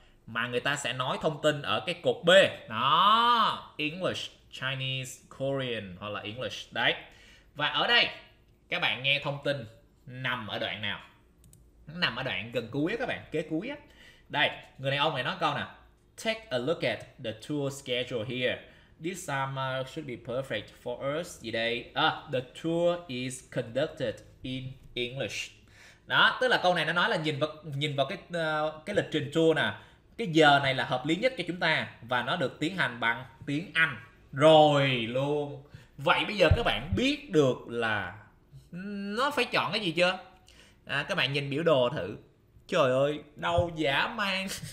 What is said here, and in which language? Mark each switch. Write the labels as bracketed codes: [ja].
[vi] Mà người ta sẽ nói thông tin ở cái cột B. Đó, English, Chinese, Korean hoặc là English. Đấy. Và ở đây các bạn nghe thông tin nằm ở đoạn nào? Nằm ở đoạn gần cuối á các bạn, kế cuối á. Đây, người này ông này nói câu nè. [en] Take a look at the tour schedule here. This summer should be perfect for us today. The tour is conducted in English. [vi] Đó, tức là câu này nó nói là nhìn vào cái lịch trình tour nè. Cái giờ này là hợp lý nhất cho chúng ta và nó được tiến hành bằng tiếng Anh. Rồi luôn. Vậy bây giờ các bạn biết được là nó phải chọn cái gì chưa? Các bạn nhìn biểu đồ thử. Trời ơi, đâu giả mang.